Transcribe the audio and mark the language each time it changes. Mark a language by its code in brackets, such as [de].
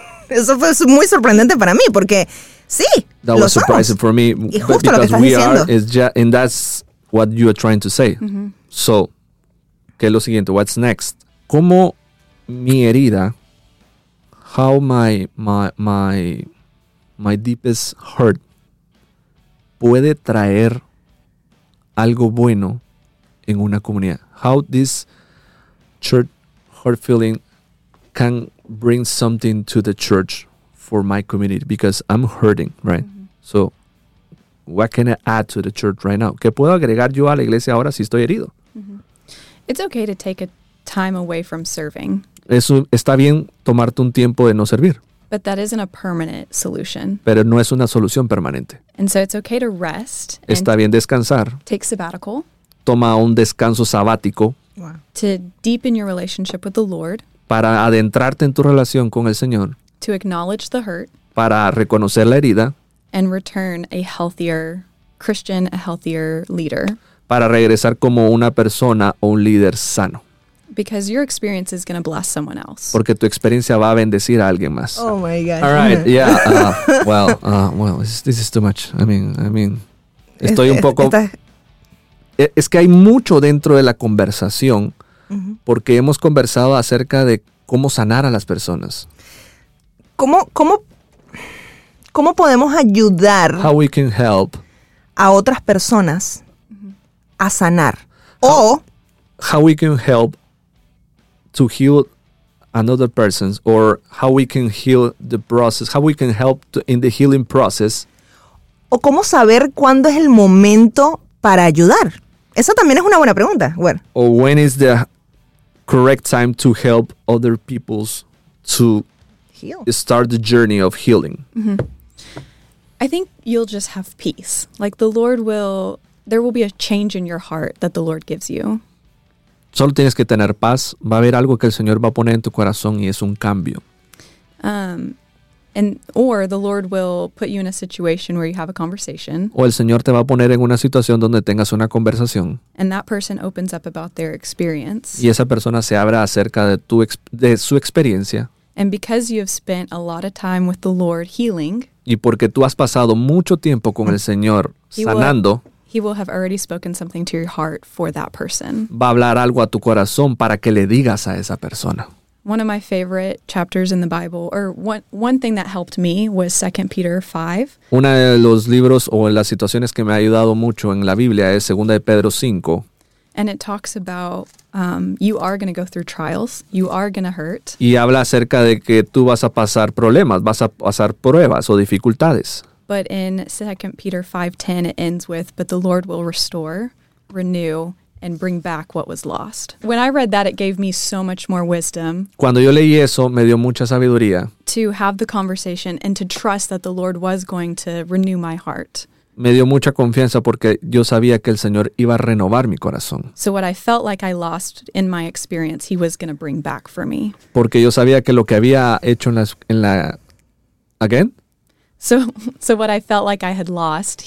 [es] Eso fue muy sorprendente para mí porque sí, [en] that was surprising [es] somos. [en] For me. [es] Y justo lo que estás diciendo. [en] Are, is just, and that's what you are trying to say. [es] Mm-hmm. So, ¿qué es lo siguiente? [en] What's next? [es] ¿Cómo mi herida, [en] how my deepest hurt [es] puede traer algo bueno en una comunidad? [en] How this church hurt feeling can bring something to the church for my community because I'm hurting, right? Mm-hmm. So, what can I add to the church right now? [es] ¿Qué puedo agregar yo a la iglesia ahora si estoy herido? Mm-hmm. [en] It's okay to take a time away from serving. [es] Eso está bien tomarte un tiempo de no servir. [en] But that isn't a permanent solution. [es] Pero no es una solución permanente. [en] And so it's okay to rest. [es] Está and bien descansar. [en] Take sabbatical. [es] Toma un descanso sabático. [en] Wow. To deepen your relationship with the Lord. [es] Para adentrarte en tu relación con el Señor. [en] To acknowledge the hurt. [es] Para reconocer la herida. [en] And return a healthier Christian, a healthier leader. [es] Para regresar como una persona o un líder sano. [en] Because your experience is going to bless someone else. [es] Porque tu experiencia va a bendecir a alguien más. [en] Oh my gosh. All right, yeah. Well, this is too much. I mean, [es] estoy un poco. Es que hay mucho dentro de la conversación, porque hemos conversado acerca de cómo sanar a las personas. ¿Cómo podemos ayudar? [en] How we can help [es] a otras personas a sanar. [en] How we can help to heal another person, or how we can heal the process, how we can help in the healing process. [es] O cómo saber cuándo es el momento para ayudar. Esa también es una buena pregunta. Bueno. [en] Or when is the correct time to help other people to heal. Start the journey of healing. Mm-hmm. I think you'll just have peace. Like the Lord will, there will be a change in your heart that the Lord gives you. [es] Solo tienes que tener paz. Va a haber algo que el Señor va a poner en tu corazón y es un cambio. [en] And or the Lord will put you in a situation where you have a conversation. [es] O el Señor te va a poner en una situación donde tengas una conversación. [en] And that person opens up about their experience. [es] Y esa persona se abre acerca de tu de su experiencia. [en] And because you have spent a lot of time with the Lord healing. [es] Y porque tú has pasado mucho tiempo con el Señor sanando. [en] He will have already spoken something to your heart for that person. [es] Va a hablar algo a tu corazón para que le digas a esa persona. [en] One of my favorite chapters in the Bible, or one thing that helped me, was 2 Peter 5. [es] Una de los libros o las situaciones que me ha ayudado mucho en la Biblia es 2 de Pedro 5. [en] And it talks about you are going to go through trials, you are going to hurt. [es] Y habla acerca de que tú vas a pasar problemas, vas a pasar pruebas o dificultades. [en] But in 2 Peter 5:10, it ends with, but the Lord will restore, renew, and bring back what was lost. When I read that, it gave me so much more wisdom. [es] Cuando yo leí eso, me dio mucha sabiduría. [en] To have the conversation and to trust that the Lord was going to renew my heart. [es] Me dio mucha confianza porque yo sabía que el Señor iba a renovar mi corazón. [en] So what I felt like I lost in my experience, he was going to bring back for me. [es] Porque yo sabía que lo que había hecho en la again? [en] So what I felt like I had lost,